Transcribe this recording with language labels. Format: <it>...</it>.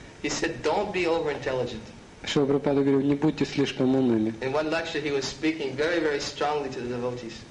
<en>He said, "Don't be over-intelligent."</en> <ru>Шрила Прабхупада говорил, не будьте слишком умными.</ru> <en>In one lecture, he was speaking very, very strongly to the devotees.</en>